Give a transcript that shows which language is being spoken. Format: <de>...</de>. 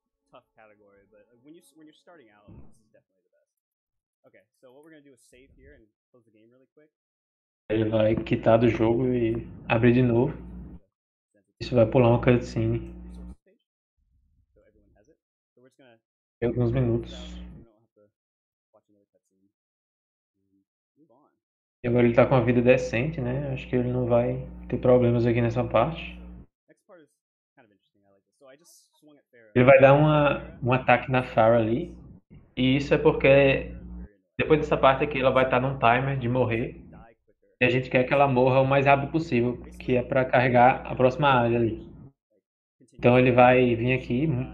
<en>Tough category, but when you're starting out, this is definitely the best. Okay, so what we're gonna do is save here and close the game really quick.</en> <pt>Ele vai quitar do jogo e abrir de novo. Isso vai pular uma cutscene.</pt> <en>So everyone has it. So we're just gonna</en> <pt>Em alguns</pt> <en>check this</en> <pt>minutos.</pt> <en>out. We don't have to watch another cutscene. Move on.</en> <pt>E agora ele tá com a vida decente, né? Acho que ele não vai ter problemas aqui nessa parte.</pt> <en>Next part is kind of interesting. I like this. So I just swung at Pharah.</en> <pt>Ele vai dar um ataque na Pharah ali. E isso é porque depois dessa parte aqui ela vai estar num timer de morrer. E a gente quer que ela morra o mais rápido possível, que é para carregar a próxima área ali. Então ele vai vir aqui.</pt>